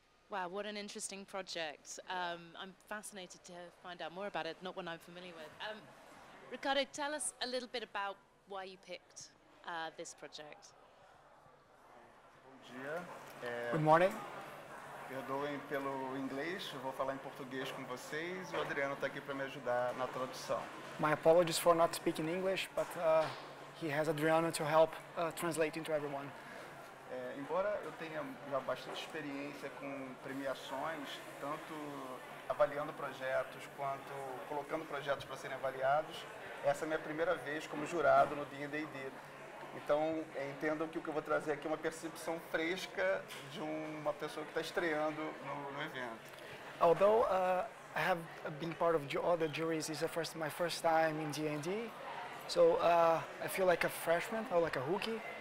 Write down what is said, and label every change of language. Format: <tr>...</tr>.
<en>Wow, what an interesting project. I'm fascinated to find out more about it, not one I'm familiar with. Ricardo, tell us a little bit about why you picked this project. Good morning.</en> <pt>Perdoem pelo inglês, vou falar em português com vocês. O Adriano está aqui para me ajudar na tradução.</pt> <en>My apologies for not speaking English, but he has Adriano to help translate into everyone.</en> <pt>Embora eu tenha já bastante experiência com premiações, tanto avaliando projetos quanto colocando projetos para serem avaliados, essa é a minha primeira vez como jurado no D&AD. Então, entendo que o que eu vou trazer aqui é uma percepção fresca de uma pessoa que está estreando no evento.</pt> <en>Although I have been part of all the juries, this is my first time in D&D, so I feel like a freshman or like a rookie.</en>